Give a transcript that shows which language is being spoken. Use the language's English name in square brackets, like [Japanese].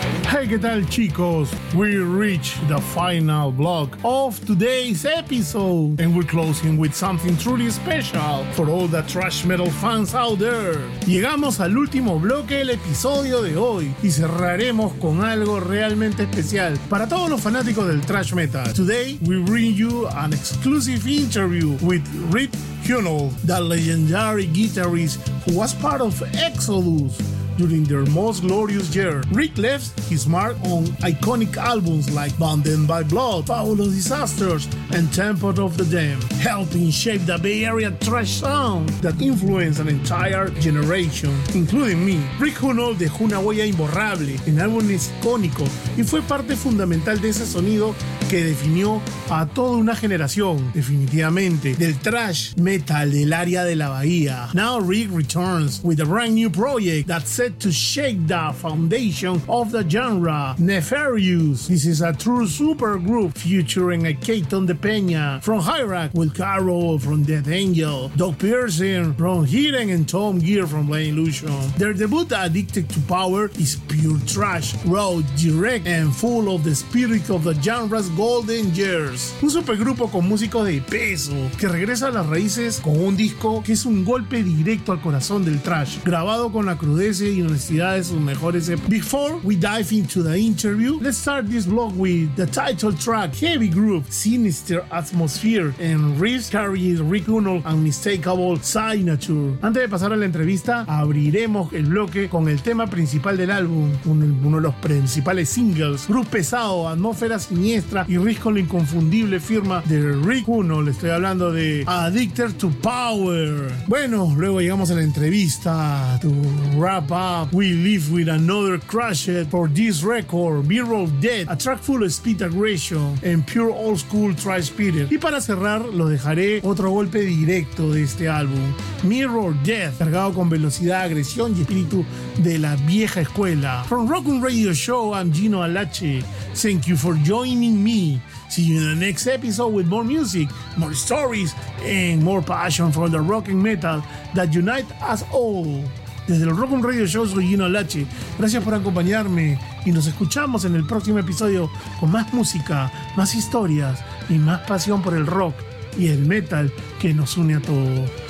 [Spanish] Hey, ¿qué tal, chicos? [English] We reach the final block of today's episode, and we're closing with something truly special for all the thrash metal fans out there. [Spanish] Llegamos al último bloque del episodio de hoy y cerraremos con algo realmente especial para todos los fanáticos del thrash metal. [English] Today, we bring you an exclusive interview with Rip Hunold, the legendary guitarist who was part of Exodus, during their most glorious year. Rick left his mark on iconic albums like Bonded by Blood, Paolo Disasters, and Temple of the Damned, helping shape the Bay Area trash sound that influenced an entire generation, including me. [Spanish] Rick Hunold dejó una huella imborrable en álbumes icónicos y fue parte fundamental de ese sonido que definió a toda una generación, definitivamente, del trash metal del área de la Bahía. [English] Now Rick returns with a brand new project that's set to shake the foundation of the genre, Nefarious. This is a true super group featuring a Keaton de Peña from Hyrax, Will Carroll from Dead Angel, Doug Pearson from Hidden, and Tom Gear from Blind Illusion. Their debut, Addicted to Power, is pure trash, raw, direct, and full of the spirit of the genre's Golden Years. [Spanish] Un supergrupo con músicos de peso que regresa a las raíces con un disco que es un golpe directo al corazón del trash, grabado con la crudeza y honestidad de sus mejores épocas. [English] Before we dive into the interview, let's start this vlog with the title track, Heavy Groove, Sinister Atmosphere, and riffs carrying Rick Hunold's unmistakable signature. [Spanish] Antes de pasar a la entrevista, abriremos el bloque con el tema principal del álbum, uno de los principales singles, groove pesado, atmósfera siniestra, y Rick con la inconfundible firma de Rick Hunold. Le estoy hablando de Addicted to Power. Bueno, luego llegamos a la entrevista. [English] To wrap up, we leave with another crushed for this record, Mirror of Death, a track full of speed aggression and pure old school trash spirit. [Spanish] Y para cerrar, lo dejaré otro golpe directo de este álbum, Mirror of Death, cargado con velocidad, agresión y espíritu de la vieja escuela. [English] From Rockin' Radio Show, I'm Gino Alache. Thank you for joining me. See you in the next episode with more music, more stories, and more passion for the rock and metal that unite us all. [Spanish] Desde el Rock and Radio Show, soy Gino Alache. Gracias por acompañarme y nos escuchamos en el próximo episodio con más música, más historias y más pasión por el rock y el metal que nos une a todos.